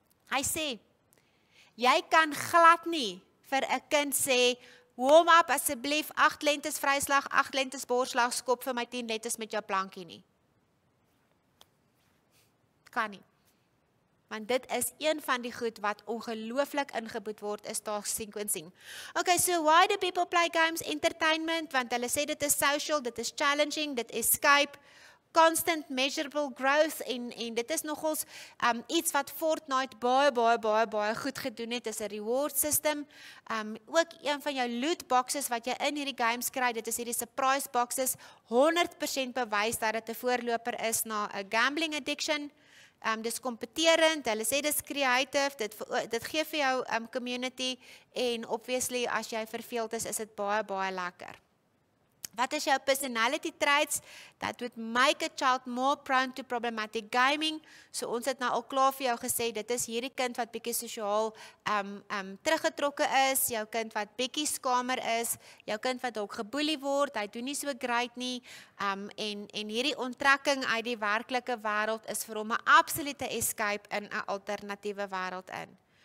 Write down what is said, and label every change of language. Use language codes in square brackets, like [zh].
[af] Hy sê, Jy kan glad nie vir 'n kind sê, warm up asseblief, 8 lentes vryslag, 8 lentes borslag, skop vir my 10 lentes met jou plankie nie. Kan nie. Want dit is een van die goed wat ongelooflik ingeboet word, is task sequencing. [en] Ok, so why do people play games? Entertainment, [af] want hulle sê dit is social, dit is challenging, dit is Skype. [en] Constant measurable growth [af] en dit is nogals iets wat Fortnite baie goed gedoen het, is 'n reward system. Ook een van jou loot boxes wat jy in hierdie games kry, dit is hierdie surprise boxes, 100% bewys dat dit 'n voorloper is na 'n gambling addiction. Dis kompeterend, hulle sê dis creative, dit gee vir jou community en obviously as jy verveeld is, is dit baie lekker. Wat is jou [en] personality traits that would make a child more prone to problematic gaming? [af] So ons het nou al klaar vir jou gesê, dit is hierdie kind wat bietjie sosiaal teruggetrokke is, jou kind wat bietjie skamer is, jou kind wat ook geboelie word, hy doen nie so great nie, en hierdie onttrekking uit die werklike wêreld is vir hom 'n absolute escape in 'n alternatiewe wêreld in.